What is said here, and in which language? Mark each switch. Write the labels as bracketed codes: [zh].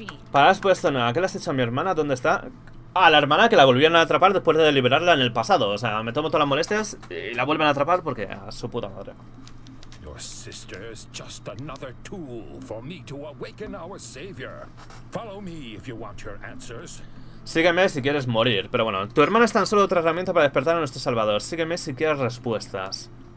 [es] Paras puesto, Noah. ¿Qué le has hecho a mi hermana? ¿Dónde está? A la hermana que la volvieron a atrapar después de liberarla en el pasado. O sea, me tomo todas las molestias y la vuelven a atrapar porque a su puta madre. [en] Your sister is just another tool for me to awaken our savior. Follow me if you want your answers. [es] Sígueme si quieres morir. Pero bueno, tu hermana es tan solo otra herramienta para despertar a nuestro salvador. Sígueme si quieres respuestas.